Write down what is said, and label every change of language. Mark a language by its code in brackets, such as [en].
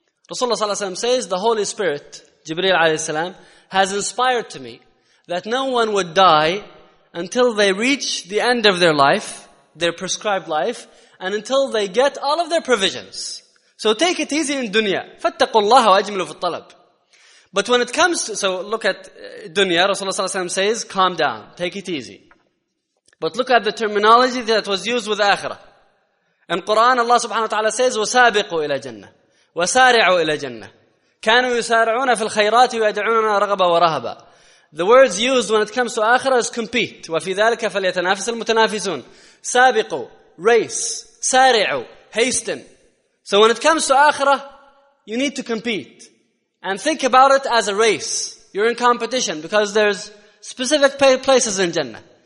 [en] Rasulullah sallallahu alayhi wa sallam says, the Holy Spirit, Jibreel alayhi salam, has inspired to me that no one would die until they reach the end of their life, their prescribed life, and until they get all of their provisions. So take it easy in dunya. [ar] فَاتَّقُوا اللَّهَ وَأَجْمِلُوا فِي الطَّلَبِ. [en] But when it comes to, so look at dunya, Rasulullah sallallahu alayhi wa sallam says, calm down, take it easy. But look at the terminology that was used with akhirah. In Quran, Allah subhanahu wa ta'ala says, [ar] وَسَابِقُوا إِلَى جَنَّةِ وَسَارِعُوا إِلَى جَنَّةِ كَانُوا يُسَارِعُونَ فِي الْخَيْرَاتِ وَيَدْعُونَنَا رَغَبًا وَرَهَبًا. [en] The words used when it comes to akhirah is compete. [ar] وَفِي ذَلِكَ فَلْيَتَنَافِسَ الْمُتَنَافِسُونَ. [en] سَابِقُوا, race, سَارِعُوا, hasten. So when it comes to akhirah, you need to compete. And think about it as a race. You're in competition because there's specific places in Jannah.